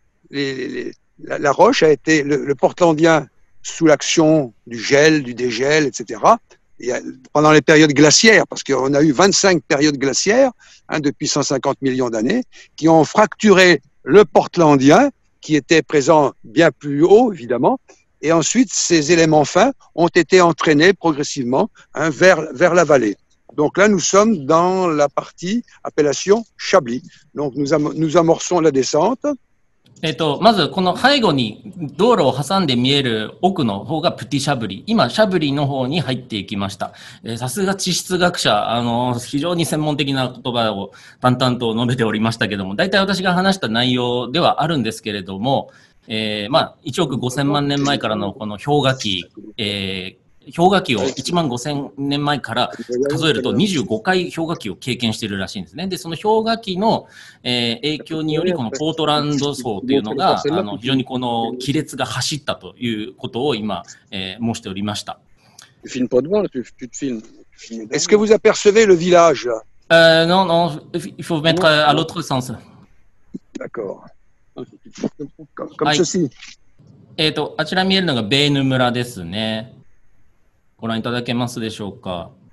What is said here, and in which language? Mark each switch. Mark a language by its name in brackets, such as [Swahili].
[French] La roche a été, le Portlandien, sous l'action du gel, du dégel, etc., pendant les périodes glaciaires, parce qu'on a eu 25 périodes glaciaires, hein, depuis 150 millions d'années, qui ont fracturé le Portlandien, qui était présent bien plus haut, évidemment, et ensuite, ces éléments fins ont été entraînés progressivement hein, vers la vallée. Donc là, nous sommes dans la partie appellation Chablis. Donc nous amorçons la descente. [Japanese] まずこの背後に道路を挟んで見える奥の方がプティシャブリ。今シャブリの方に入っていきました。さすが地質学者、非常に専門的な言葉を淡々と述べておりましたけども、大体私が話した内容ではあるんですけれども、まあ1億5000万年前からのこの氷河期。氷河期を1万5000年前から数えると25回氷河期を経験しているらしいんですね。で、その氷河期の、影響により、このポートランド層というのが、非常にこの亀裂が走ったということを今、申しておりました。 [French] Est-ce que vous apercevez le village? Non, non, il faut mettre à l'autre sens. D'accord. Comme ceci. [Japanese] あちら見えるのがベーヌ村ですね。ご覧いただけますでしょうか。